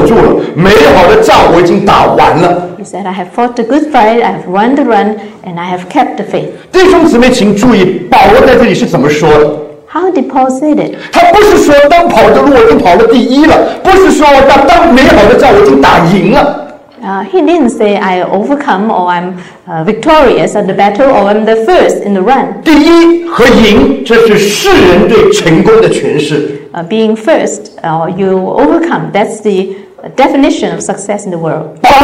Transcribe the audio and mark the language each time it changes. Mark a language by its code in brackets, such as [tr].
[zh] 他对着提摩太说：“那当跑的路我已经跑尽了，所剩的道我已经守住了，美好的仗我已经打完了。” [en] He said, "I have fought the good fight, I have run the run, and I have kept the faith." [zh] 弟兄姊妹，请注意，保罗在这里是怎么说的？ [en] How did Paul say it? [zh] 他不是说当跑的路我已经跑了第一了，不是说那当美好的仗我已经打赢了。 [en] He didn't say I overcome or I'm victorious at the battle or I'm the first in the run. [zh] 第一和赢，这是世人对成功的诠释。 [en] Being first or you overcome, that's the definition of success in the world.